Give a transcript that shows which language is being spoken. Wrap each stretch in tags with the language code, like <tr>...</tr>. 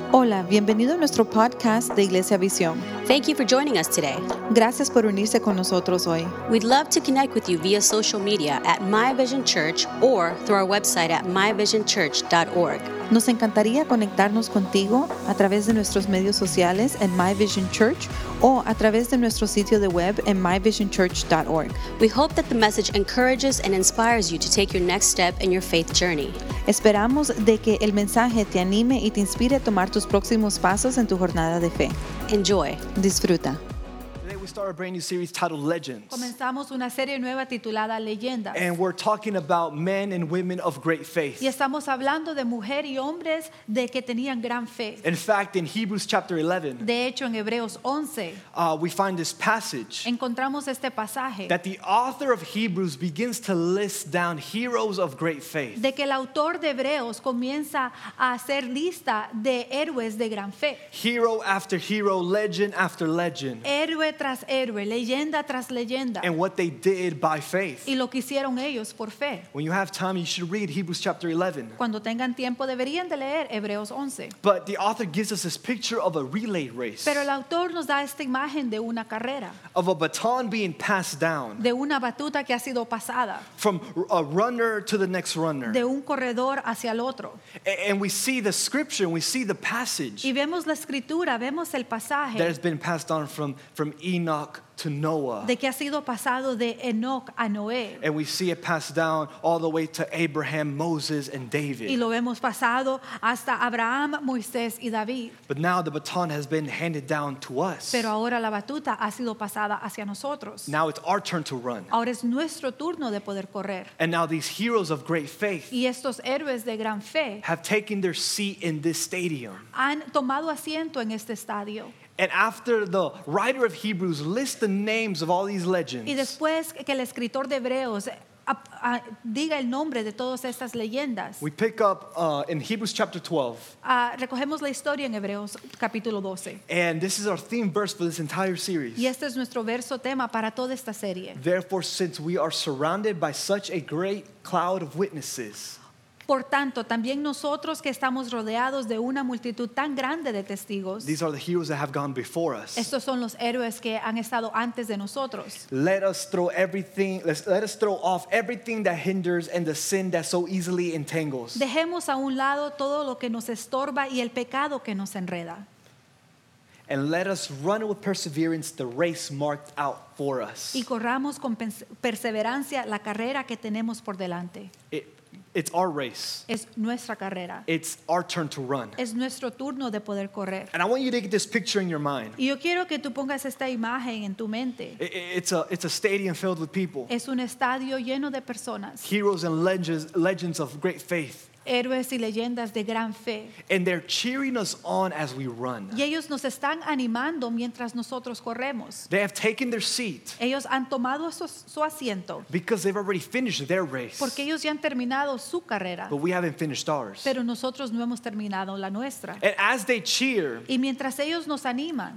<es>Hola, bienvenido a nuestro podcast de Iglesia Visión.</es> <en>Thank you for joining us today.</en> <es>Gracias por unirse con nosotros hoy.</es> <en>We'd love to connect with you via social media at My Vision Church or through our website at myvisionchurch.org.</en> <es>Nos encantaría conectarnos contigo a través de nuestros medios sociales en My Vision Church o a través de nuestro sitio de web en myvisionchurch.org.</es> <en>We hope that the message encourages and inspires you to take your next step in your faith journey.</en> <es>Esperamos de que el mensaje te anime y te inspire a tomar tus próximos pasos en tu jornada de fe.</es> <en>Enjoy.</en> <es>Disfruta.</es> <en>We start a brand new series titled Legends.</en> <es>Comenzamos una serie nueva titulada Leyendas.</es> <en>And we're talking about men and women of great faith.</en> <es>Y estamos hablando de mujer y hombres de que tenían gran fe.</es> <en>In fact, in Hebrews chapter 11.</en> <es>De hecho, en Hebreos 11.</es> <en>We find this passage.</en> <es>Encontramos este pasaje.</es> <en>That the author of Hebrews begins to list down heroes of great faith.</en> <es>De que el autor de Hebreos comienza a hacer lista de héroes de gran fe.</es> <en>Hero after hero, legend after legend.</en> <es>Héroe tras héroe, leyenda tras leyenda.</es> <en>And what they did by faith.</en> <es>Y lo que hicieron ellos por fe.</es> <en>When you have time, you should read Hebrews chapter 11.</en> <es>Cuando tengan tiempo, deberían de leer Hebreos 11.</es> <en>But the author gives us this picture of a relay race.</en> <es>Pero el autor nos da esta imagen de una carrera.</es> <en>Of a baton being passed down.</en> <es>De una batuta que ha sido pasada.</es> <en>From a runner to the next runner.</en> <es>De un corredor hacia el otro.</es> <en>And we see the scripture, we see the passage.</en> <es>Y vemos la escritura, vemos el pasaje.</es> <en>That has been passed on from Enoch to Noah.</en> <es>De que ha sido pasado de Enoch a Noé.</es> <en>And we see it passed down all the way to Abraham, Moses, and David.</en> <es>Y lo vemos pasado hasta Abraham, Moisés, y David.</es> <en>But now the baton has been handed down to us.</en> <es>Pero ahora la batuta ha sido pasada hacia nosotros.</es> <en>Now it's our turn to run.</en> <es>Ahora es nuestro turno de poder correr.</es> <en>And now these heroes of great faith.</en> <es>Y estos héroes de gran fe.</es> <en>Have taken their seat in this stadium.</en> <es>Han tomado asiento en este estadio.</es> <en>And after the writer of Hebrews lists the names of all these legends.</en> <es>Y después que el escritor de Hebreos diga el nombre de todas estas leyendas.</es> <en>We pick up in Hebrews chapter 12.</en> <es>Recogemos la historia en Hebreos capítulo 12.</es> <en>And this is our theme verse for this entire series.</en> <es>Y este es nuestro verso tema para toda esta serie.</es> <en>Therefore, since we are surrounded by such a great cloud of witnesses.</en> <es>Por tanto, también nosotros que estamos rodeados de una multitud tan grande de testigos.</es> <en>These are the heroes that have gone before us.</en> <es>Estos son los héroes que han estado antes de nosotros.</es> <en>Let us throw off everything that hinders and the sin that so easily entangles.</en> <es>Dejemos a un lado todo lo que nos estorba y el pecado que nos enreda.</es> <en>And let us run with perseverance the race marked out for us.</en> <es>Y corramos con perseverancia la carrera que tenemos por delante.</es> <en>It's our race.</en> <es>Es nuestra carrera.</es> <en>It's our turn to run.</en> <es>Es nuestro turno de poder correr.</es> <en>And I want you to get this picture in your mind.</en> <es>Y yo quiero que tú pongas esta imagen en tu mente.</es> <en>It's a stadium filled with people.</en> <es>Es un estadio lleno de personas.</es> <en>Heroes and legends of great faith.</en> <es>Héroes y leyendas de gran fe.</es> <en>And they're cheering us on as we run.</en> <es>Y ellos nos están animando mientras nosotros corremos.</es> <en>They have taken their seat.</en> <es>Ellos han tomado su asiento.</es> <en>Because they've already finished their race.</en> <es>Porque ellos ya han terminado su carrera.</es> <en>But we haven't finished ours.</en> <es>Pero nosotros no hemos terminado la nuestra.</es> <en>And as they cheer.</en> <es>Y mientras ellos nos animan.</es>